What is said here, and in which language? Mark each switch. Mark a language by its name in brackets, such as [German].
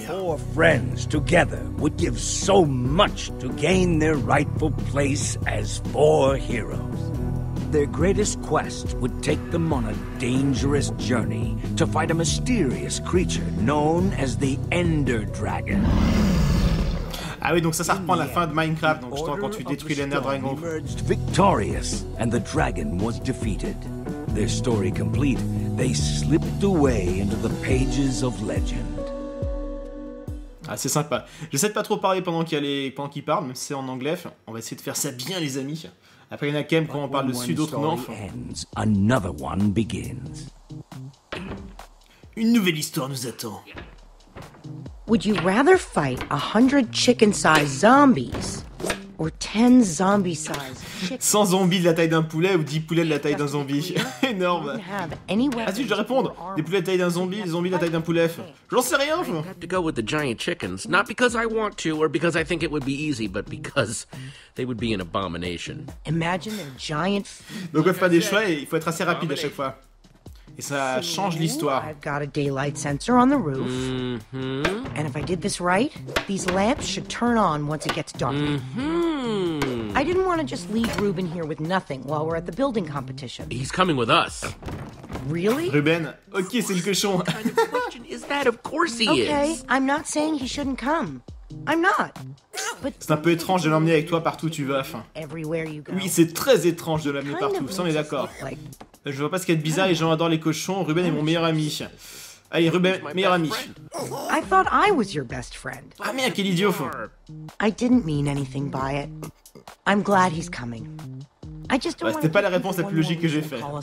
[English] These four friends together would give so much to gain their rightful place as four heroes. Their greatest quest would take them on a dangerous journey to fight a mysterious creature known as the Ender Dragon. [French] Ah oui, donc ça reprend la fin de Minecraft, donc justement quand tu détruis l'Ender Dragon. [English] Emerged victorious, and the dragon was defeated. Their story complete, they slipped away into the pages of legend. [French] Ah, c'est sympa. J'essaie de pas trop parler pendant qu'il parle, même si c'est en anglais. On va essayer de faire ça bien, les amis. Après, il y en a quand même quand on parle dessus, d'autres non. [English] Ends, another one begins. [French] Une nouvelle histoire nous attend. [English] Would you rather fight 100 chicken-sized zombies or 10 zombie-sized chickens? [French] 100 zombies de la taille d'un poulet ou 10 poulets de la taille d'un zombie? Énorme. Ah si, je vais répondre. Des poulets de taille d'un zombie, des zombies de la taille d'un poulet. J'en sais rien, je [English] have to go with the giant chickens, not because I want to or because I think it would be easy, but because they would be an abomination. Imagine a giant. [French] Donc on peut faire des choix et il faut être assez rapide à chaque fois. Et ça change l'histoire. [English] I've got a daylight sensor on the roof. Mm-hmm. And if I did this right, these lamps should turn on once it gets dark. Mm-hmm. I didn't want to just leave Ruben here with nothing while we're at the building competition. He's coming with us. Really? [French] Ruben, ok, c'est le cochon. [English] What kind of question is that? Of course he okay, is. Okay, I'm not saying he shouldn't come. I'm not. But [French] c'est un peu étrange de l'emmener avec toi partout où tu vas. [English] Everywhere you go. [French] Oui, c'est très étrange de l'emmener partout, ça on est d'accord. Je vois pas ce qu'il y a de bizarre et j'en adore les cochons. Ruben est mon meilleur ami. Allez, Ruben, meilleur ami. [English] I thought I was your best friend. [French] Ah merde, quel idiot. [English] I didn't mean anything by it. I'm glad he's coming. [French] Bah, c'était pas la réponse la plus logique que j'ai faite.